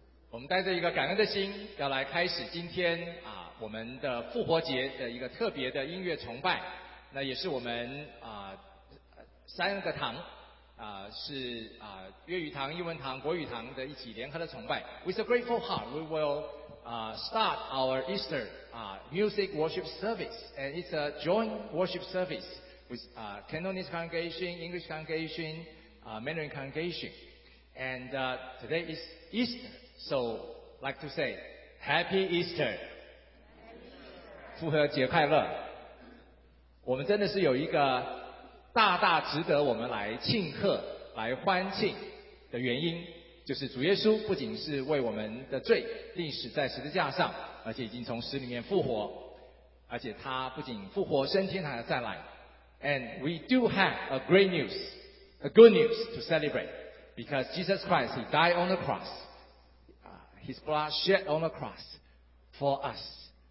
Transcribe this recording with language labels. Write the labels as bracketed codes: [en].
[zh] 我们带着一个感恩的心，要来开始今天啊我们的复活节的一个特别的音乐崇拜。那也是我们啊三个堂啊是啊粤语堂、英文堂、国语堂的一起联合的崇拜。 [en] With a grateful heart, we will start our Easter music worship service, and it's a joint worship service with Cantonese congregation, English congregation, Mandarin congregation. And today is Easter. So, like to say, Happy Easter! [zh] 复活节快乐！我们真的是有一个大大值得我们来庆贺、来欢庆的原因，就是主耶稣不仅是为我们的罪钉死在十字架上，而且已经从死里面复活，而且他不仅复活升天还要再来。 [en] And we do have a great news, a good news to celebrate, because Jesus Christ, He died on the cross. His blood shed on the cross for us.